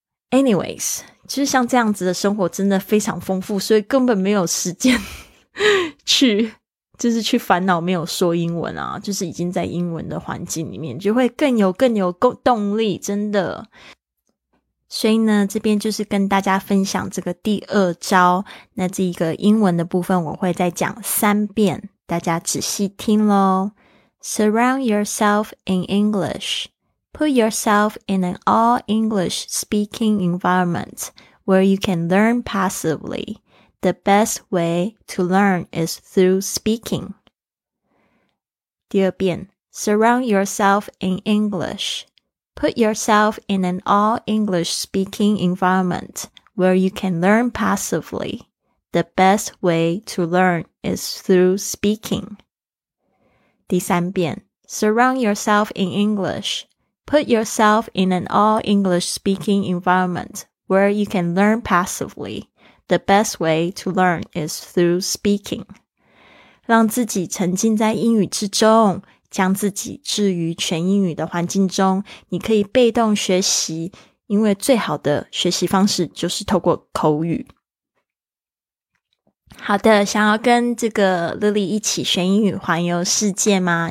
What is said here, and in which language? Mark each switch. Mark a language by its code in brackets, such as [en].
[en] Anyways, [zh] 就是像这样子的生活真的非常丰富，所以根本没有时间去就是去烦恼没有说英文啊，就是已经在英文的环境里面就会更有动力，真的。所以呢，这边就是跟大家分享这个第二招，那这一个英文的部分我会再讲三遍，大家仔细听咯。 [en] Surround yourself in English. Put yourself in an all English speaking environment where you can learn passively. The best way to learn is through speaking. [zh] 第二遍， [en] Surround yourself in English. Put yourself in an all-English speaking environment where you can learn passively. The best way to learn is through speaking. [zh] 第三遍， [en] Surround yourself in English. Put yourself in an all-English speaking environment where you can learn passively. The best way to learn is through speaking. [zh] 让自己沉浸在英语之中，将自己置于全英语的环境中，你可以被动学习，因为最好的学习方式就是透过口语。好的，想要跟这个 Lily 一起学英语环游世界吗？